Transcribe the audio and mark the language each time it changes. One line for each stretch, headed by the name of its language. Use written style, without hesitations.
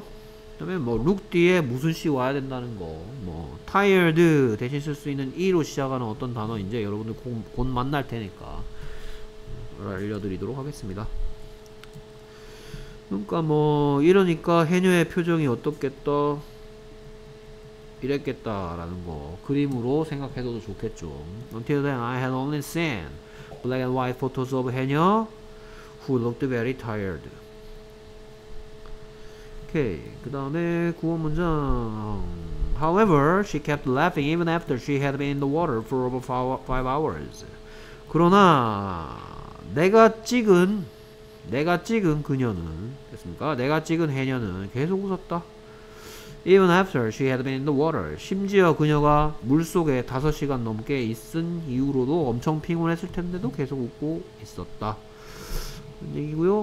Korean: 그 다음에 뭐 look 뒤에 무슨 시 와야 된다는 거, 뭐 tired 대신 쓸 수 있는 e로 시작하는 어떤 단어 이제 여러분들 곧 만날 테니까 알려드리도록 하겠습니다. 그러니까 뭐 이러니까 해녀의 표정이 어떻겠다 이랬겠다 라는 거 그림으로 생각해도 좋겠죠.
English: Until then I had only seen black and white photos of 해녀 who looked very tired.
Korean: 오케이. 그 다음에 9번 문장.
English: However, she kept laughing even after she had been in the water for over 5 hours.
Korean: 그러나 내가 찍은 그녀는 됐습니까? 내가 찍은 해녀는 계속 웃었다.
English: Even after she had been in the water,
Korean: 심지어 그녀가 물 속에 5시간 넘게 있은 이후로도 엄청 피곤했을 텐데도 계속 웃고 있었다. 얘기고요.